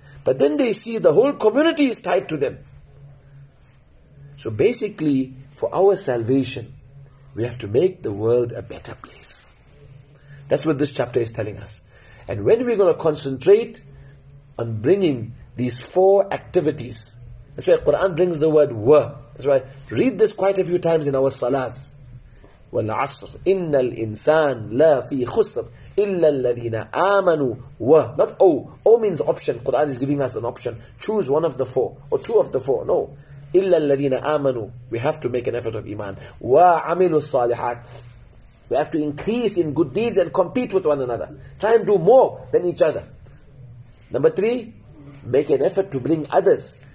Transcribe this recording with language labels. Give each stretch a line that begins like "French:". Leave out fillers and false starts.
English: But then they see the whole community is tied to them. So basically, for our salvation, we have to make the world a better place. That's what this chapter is telling us. And when we're going to concentrate on bringing these four activities, that's why Quran brings the word wa. That's why read this quite a few times in our salahs.
Arabic: Wal asr, innal insan la fi khusr. إِلَّا الَّذِينَ آمَنُوا wa.
English: Not O. O means option. Quran is giving us an option. Choose one of the four. Or two of the four. No.
Arabic: إِلَّا الَّذِينَ آمَنُوا.
English: We have to make an effort of Iman.
Arabic: وَعَمِلُوا الصَّالِحَاتِ.
English: We have to increase in good deeds and compete with one another. Try and do more than each other. Number three, make an effort to bring others.